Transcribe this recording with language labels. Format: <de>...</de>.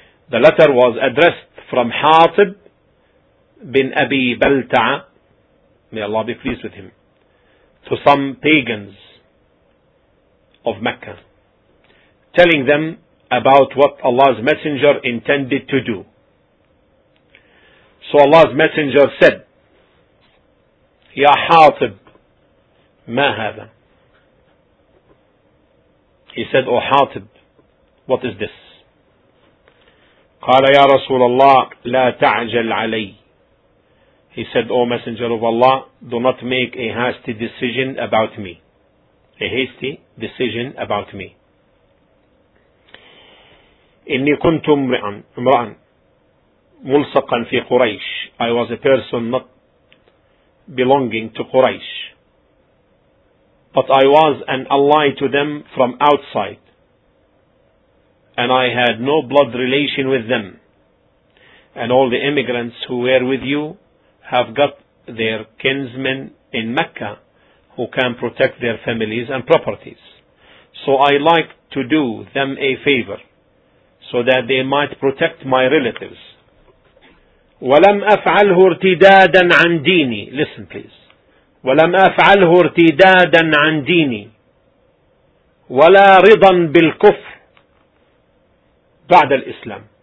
<en>The letter was addressed from Hatib bin Abi Balta'a, may Allah be pleased with him, to some pagans of Mecca, telling them about what Allah's Messenger intended to do. So Allah's Messenger said,</en> <ar>Ya Hatib, ma hadha?</ar> <en>He said, O Hatib, what is this?</en> <ar>قال يا رسول الله لا تعجل علي.</ar> <en>He said, O Messenger of Allah, do not make a hasty decision about me. A hasty decision about me.</en> <ar>إني كنت امرأ ملصقا في قريش.</ar> <en>I was a person not belonging to Quraysh. But I was an ally to them from outside. And I had no blood relation with them. And all the immigrants who were with you have got their kinsmen in Mecca who can protect their families and properties. So I like to do them a favor so that they might protect my relatives.</en> <ar>وَلَمْ أَفْعَلْهُ ارْتِدَادًا عَنْ دِينِي.</ar> <en>Listen please.</en> <ar>وَلَمْ أَفْعَلْهُ ارْتِدَادًا عَنْ دِينِي وَلَا رِضًا بِالْكُفْرِ بعد الإسلام.</ar>